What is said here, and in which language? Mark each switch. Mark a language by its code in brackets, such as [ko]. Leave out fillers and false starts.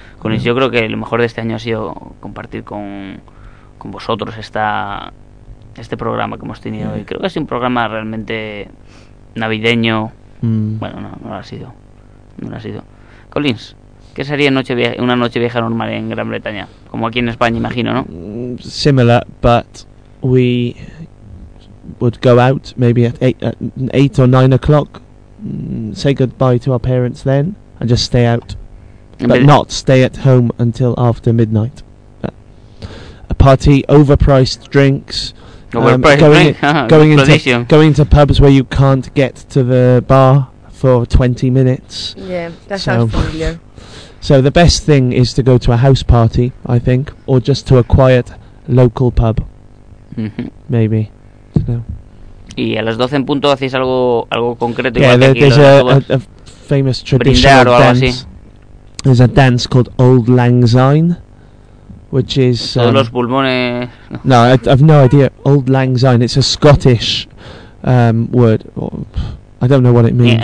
[es] Con eso yo creo que lo mejor de este año ha sido compartir con vosotros este programa que hemos tenido. [en] Yeah. [es] Y creo que ha sido un programa realmente navideño. Mm. Bueno, no lo ha sido. Collins, ¿qué sería una noche vieja normal en Gran Bretaña? Como aquí en España, imagino, ¿no? [en] Similar, but we would go out maybe at 8 or 9 o'clock, say goodbye to our parents then, and just stay out. But not stay at home until after midnight. A party, overpriced drinks. Going into pubs where you can't get to the bar for 20 minutes. Yeah, that sounds familiar. So the best thing is to go to a house party, I think, or just to a quiet local pub. Mm-hmm. Maybe. No. ¿Y a las 12 en punto hacéis algo concreto? Yeah, [es] igual que [en] there's a famous traditional dance. [es] Así. [en] There's a dance called Auld Lang Syne. Which is... [es] Todos los pulmones... [en] No, I've no idea. Old Lang Syne, it's a Scottish word. I don't know what it means.